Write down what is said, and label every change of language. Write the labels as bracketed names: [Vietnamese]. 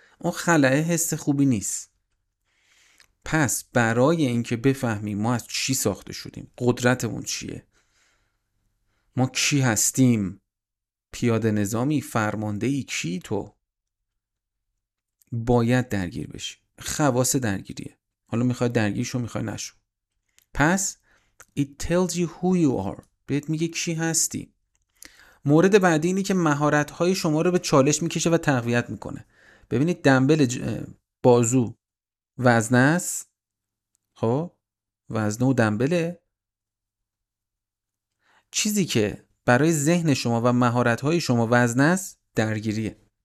[Persian] اون خلأه حس خوبی نیست. پس برای اینکه بفهمیم ما از چی ساخته شدیم، قدرتمون چیه، ما کی هستیم، پیاده نظامی، فرماندهی، کی تو، باید درگیر بشی. خواص درگیریه. حالا میخوای درگیرشو میخوای نشو. پس [English] it tells you who you are، [Persian] بهت میگه کی هستی. مورد بعدی اینی که مهارت‌های شما رو به چالش میکشه و تقویت میکنه. ببینید دمبل بازو وزنه است. خب وزنه و دمبله. چیزی که برای ذهن شما و مهارت‌های شما وزنه است درگیریه.